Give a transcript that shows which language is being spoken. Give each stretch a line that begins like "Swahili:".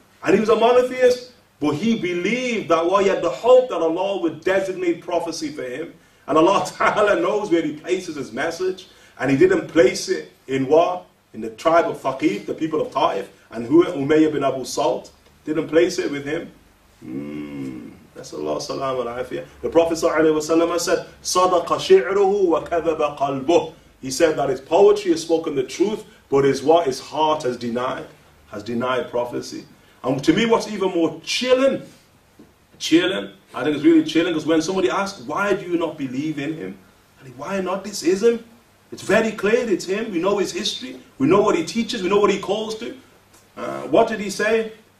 English: And he was a monotheist, but he believed that what? He had the hope that Allah would designate prophecy for him. And Allah Ta'ala knows where he places his message. And he didn't place it in what? In the tribe of Thaqif, the people of Ta'if, and Umayyah bin Abu Salt didn't place it with him. Nasallahu salam al-afiyah.
Arabic: The Prophet said, صَدَقَ شِعْرُهُ وَكَذَبَ قَلْبُهُ.
English: He said that his poetry has spoken the truth, but is what his heart has denied prophecy. And to me, what's even more chilling, I think it's really chilling, because when somebody asks, why do you not believe in him? I mean, why not? This is him. It's very clear it's him. We know his history. We know what he teaches. We know what he calls to. What did he say?